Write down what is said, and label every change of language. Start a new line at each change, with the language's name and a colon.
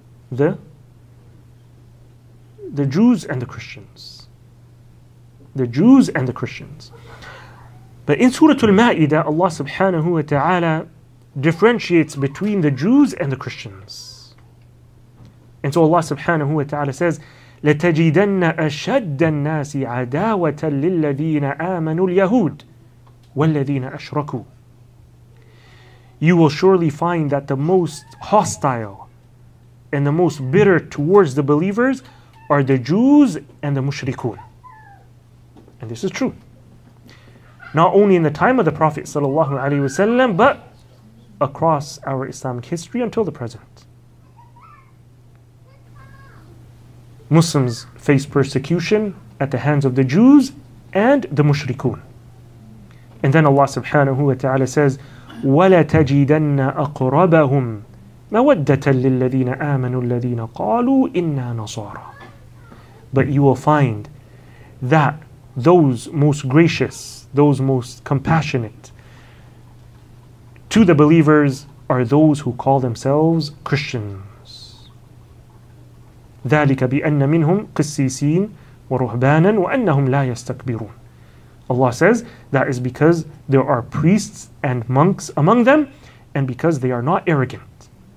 English: The Jews and the Christians. The Jews and the Christians. But in Surah Al-Ma'idah, Allah subhanahu wa ta'ala differentiates between the Jews and the Christians. And so Allah subhanahu wa ta'ala says,
Arabic: لَتَجِدَنَّ أَشَدَّ النَّاسِ عَدَاوَةً لِلَّذِينَ آمَنُوا الْيَهُودِ وَالَّذِينَ أَشْرَكُوا.
English: You will surely find that the most hostile and the most bitter towards the believers are the Jews and the Mushrikun. And this is true. Not only in the time of the Prophet sallallahu alaihi wasallam, but across our Islamic history until the present. Muslims face persecution at the hands of the Jews and the Mushrikun. And then Allah subhanahu wa ta'ala says,
Arabic: وَلَتَجِدَنَّ أَقْرَبَهُمْ مَوَدَّةً لِلَّذِينَ آمَنُوا الَّذِينَ قَالُوا إِنَّا نَصَارَى.
English: But you will find that those most gracious, those most compassionate to the believers are those who call themselves Christians.
Arabic: ذلك بأن منهم قسيسين ورهبانا وأنهم لا يستكبرون.
English: Allah says that is because there are priests and monks among them, and because they are not arrogant.